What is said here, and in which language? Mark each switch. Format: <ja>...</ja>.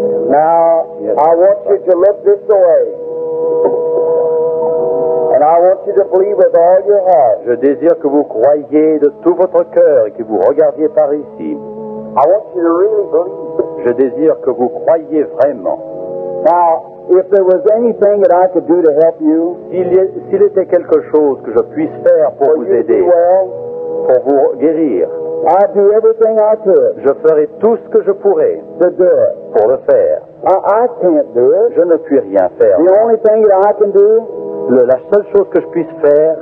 <en>Now, I want you to look this way. I want you to believe with all your heart.</en> <fr>Je désire que vous croyiez de tout votre cœur et que vous regardiez par ici.</fr> <en>I want you to really believe.</en> <fr>Je désire que vous croyiez vraiment.</fr> <en>Now, if there was anything that I could do to help you,</en> <fr>s'il était quelque chose que je puisse faire pour vous aider, pour vous guérir,</fr> <en>I'd do everything I could.</en> <fr>Je ferai tout ce que je pourrais</fr> <en>to do it.</en> <fr>Pour le faire.</fr> <en>I can't do it.</en> <fr>Je ne puis rien faire.</fr> <en>The only thing that I can do.</en> <fr>La seule chose que je puisse faire,</fr>